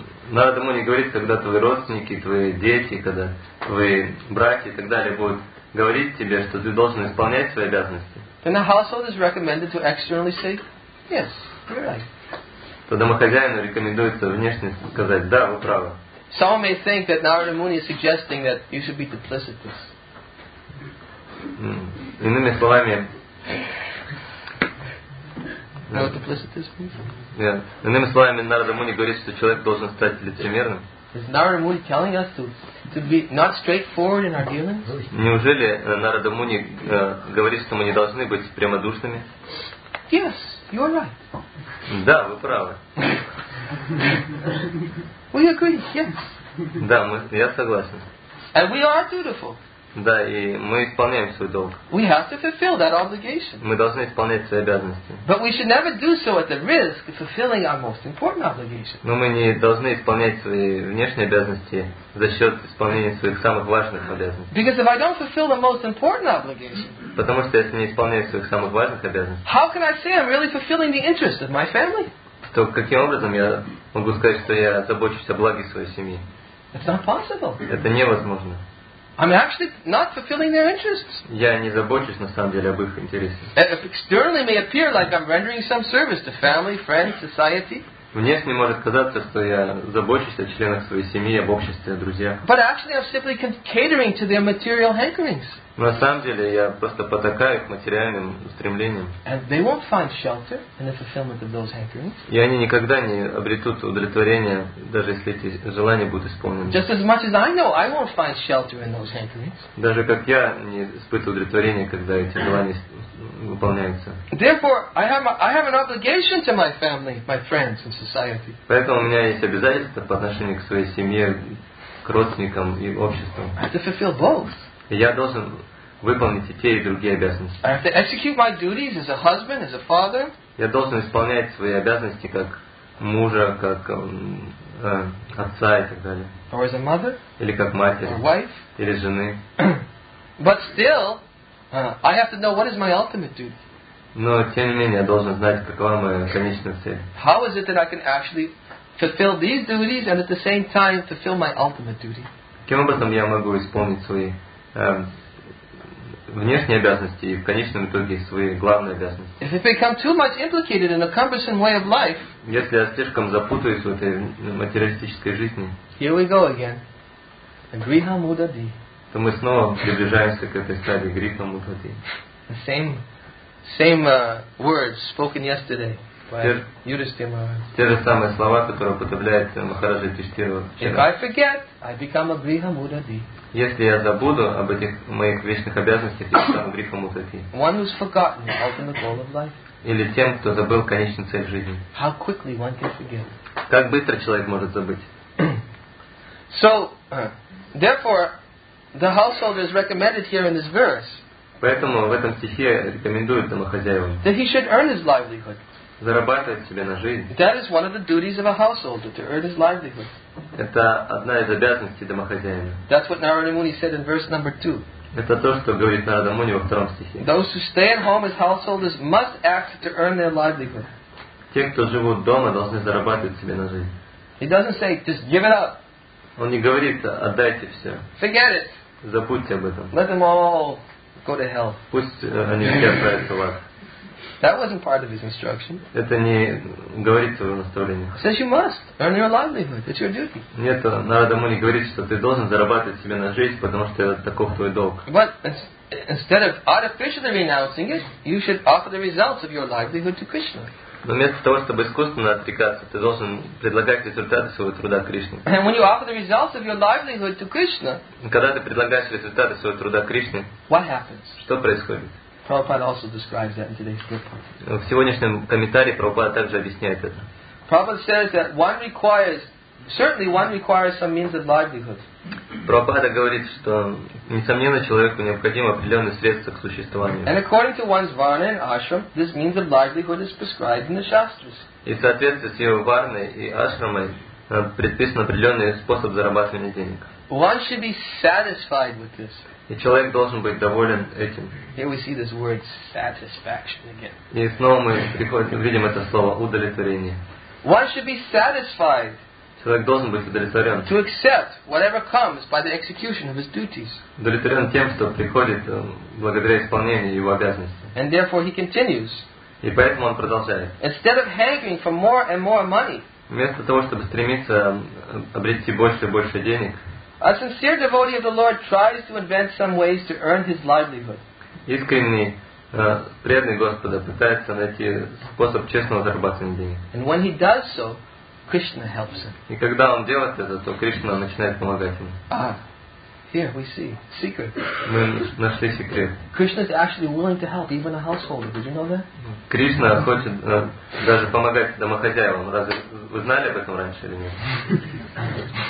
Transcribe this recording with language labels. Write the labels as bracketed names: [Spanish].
[Russian] Нарада Муни говорит, когда твои родственники, твои дети, когда твои братья и так далее будут говорить тебе, что ты должен исполнять свои обязанности. [English] Then the householder is recommended to externally say, yes, you're right. [Russian] то домохозяину рекомендуется внешне сказать: да, вы правы. [English] Some may think that Narada Muni is suggesting that you should be duplicitous. [Russian] Иными словами. [English] Know what duplicitous means? Yeah. [Russian] Иными словами, Нарада Муни говорит, что человек должен стать лицемерным. [English] Is Narada Muni telling us to be not straightforward in our dealings? [Russian] Неужели Нарада Муни говорит, что мы не должны быть прямодушными? [English] Yes, you are right. [Russian] Да, вы правы. [English] We agree, yes. [Russian] Да, я согласен. [English] And we are dutiful. [Russian] Да, и мы исполняем свой долг. [English] We have to fulfill that obligation. [Russian] Мы должны исполнять свои обязанности. [English] But we should never do so at the risk of fulfilling our most important obligation. [Russian] Но мы не должны исполнять свои внешние обязанности за счет исполнения своих самых важных обязанностей. [English] Because if I don't fulfill the most important obligation, [Russian] потому что если не исполняю своих самых важных обязанностей, [English] how can I say I'm really fulfilling the interests of my family? [Russian] То каким образом я могу сказать, что я забочусь о благе своей семьи? [English] It's not possible. [Russian] Это невозможно. [English] I'm actually not fulfilling their interests. [Russian] Я не забочусь на самом деле об их интересах. [English] Externally may appear like I'm rendering some service to family, friends, society. [Russian] Внешне может казаться, что я забочусь о членах своей семьи, об обществе, о друзьях. [English] But actually I'm simply catering to their material hankerings. [Russian] Но на самом деле я просто потакаю их материальным устремлениям. [English] And they won't find shelter in the fulfillment of those hankerings. [Russian] И они никогда не обретут удовлетворения, даже если эти желания будут исполнены. [English] Just as much as I know, I won't find shelter in those hankerings. [Russian] Даже как я не испытываю удовлетворения, когда эти желания выполняются. [English] Therefore, I have an obligation to my family, my friends, and society. [Russian] Поэтому у меня есть обязательства по отношению к своей семье, к родственникам и обществу. [English] I have to fulfill both. [Russian] Я должен выполнить и те, и другие обязанности. [English] I have to execute my duties as a husband, as a father. [Russian] Я должен исполнять свои обязанности как мужа, как отца и так далее. [English] Or as a mother. [Russian] Или как матери. [English] Or wife. [Russian] Или жены. [English] But still, I have to know what is my ultimate duty. [Russian] Но тем не менее я должен знать, какова моя конечная цель. [English] How is it that I can actually fulfill these duties and at the same time fulfill my ultimate duty? [Russian] Каким образом я могу исполнить свои внешние обязанности и в конечном итоге свои главные обязанности. [English] If it become too much implicated in a cumbersome way of life, [Russian] если я слишком запутаюсь в этой материалистической жизни, [English] here we go again. Griha mudadi. [Russian] То мы снова приближаемся к этой стадии Griha mudadi. [English] The same words spoken yesterday by Yudhishthira Maharaj. [Russian] Те же самые слова, которые употребляет Махараджа Юдхиштхира вчера. [English] If I forget, I become a Griha mudadi. [Russian] Если я забуду об этих моих вечных обязанностях, я стану грехом мутати. [English] One who's forgotten the ultimate goal of life. [Russian] Или тем, кто забыл конечную цель жизни. [English] How quickly one can forget. [Russian] Как быстро человек может забыть? [English] So, therefore, the householder is recommended here in this verse. [Russian] Поэтому в этом стихе рекомендуют домохозяевам. [English] That he should earn his livelihood. [Russian] Зарабатывать себе на жизнь. [English] That is one of the duties of a householder, to earn his livelihood. [Russian] Это одна из обязанностей домохозяина. [English] That's what Narada Muni said in verse number 2. [Russian] Это то, что говорит Нарада Муни во втором стихе. [English] Those who stay at home as householders must act to earn their livelihood. [Russian] Те, кто живут дома, должны зарабатывать себе на жизнь. [English] He doesn't say, just give it up. [Russian] Он не говорит, отдайте все. [English] Forget it. [Russian] Забудьте об этом. [English] Let them all go to hell. [Russian] Пусть они все отправятся в ад. [English] That wasn't part of his instruction. [Russian] Это не говорится в его наставлениях. [English] Says you must earn your livelihood. It's your duty. [Russian] Нет, Нарада Муни говорит, что ты должен зарабатывать себе на жизнь, потому что это таков твой долг. [English] But instead of artificially renouncing it, you should offer the results of your livelihood to Krishna. [Russian] Но вместо того, чтобы искусственно отрекаться, ты должен предлагать результаты своего труда Кришне. [English] And when you offer the results of your livelihood to Krishna, [Russian] когда ты предлагаешь результаты своего труда Кришне, [English] what happens? [Russian] Что происходит? [English] Prabhupada also describes that in today's book. [Russian] В сегодняшнем комментарии Прабхупада также объясняет это. [English] Prabhupada says that one requires, certainly one requires some means of livelihood. [Russian] Прабхупада говорит, что несомненно человеку необходимо определенные средства к существованию. [English] And according to one's varna and ashram, this means of livelihood is prescribed in the shastras. [Russian] И в соответствии с его варной и ашрамой предписан определенный способ зарабатывания денег. [English] One should be satisfied with this. [Russian] И человек должен быть доволен этим. [English] Here we see this word satisfaction again. [Russian] И снова мы видим это слово удовлетворение. [English] One should be satisfied. [Russian] Человек должен быть удовлетворен. [English] To accept whatever comes by the execution of his duties. [Russian] Удовлетворен тем, что приходит благодаря исполнению его обязанностей. [English] And therefore he continues. [Russian] И поэтому он продолжает. [English] Instead of hankering for more and more money. [Russian] Вместо того, чтобы стремиться обрести больше и больше денег. [English] A sincere devotee of the Lord tries to invent some ways to earn his livelihood. [Russian] Искренний преданный Господа пытается найти способ честного зарабатывания денег. [English] And when he does so, Krishna helps him. [Russian] И когда он делает это, то Кришна начинает помогать ему. [English] Here we see secret. [Russian] Мы нашли секрет. [English] Krishna is actually willing to help even a householder. Did you know that? [Russian] Кришна хочет даже помогать домохозяевам. Разве вы знали об этом раньше или нет?